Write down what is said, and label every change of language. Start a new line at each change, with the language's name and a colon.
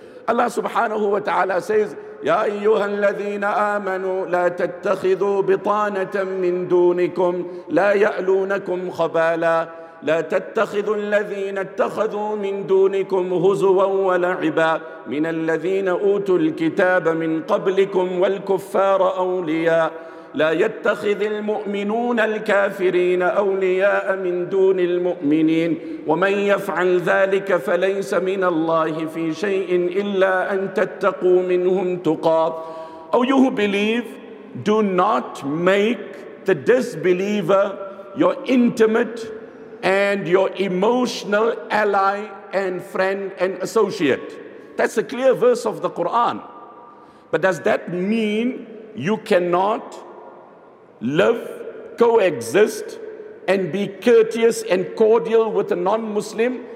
Arabic: Allah subhanahu wa ta'ala says, Ya ayyuha alladhina amanu la tattakhidhu bitanatan min dunikum la ya'lunakum khabala لا تتخذوا الذين اتخذوا من دونكم هزوا ولعبا من الذين أوتوا الكتاب من قبلكم والكفار أولياء لا يتخذ المؤمنون الكافرين أولياء من دون المؤمنين، ومن يفعل ذلك فليس من الله في شيء إلا أن تتقوا منهم تقاة.
English: Oh, you who believe, do not make the disbeliever your intimate and your emotional ally and friend and associate. That's a clear verse of the Quran. But does that mean you cannot live, coexist, and be courteous and cordial with a non-Muslim?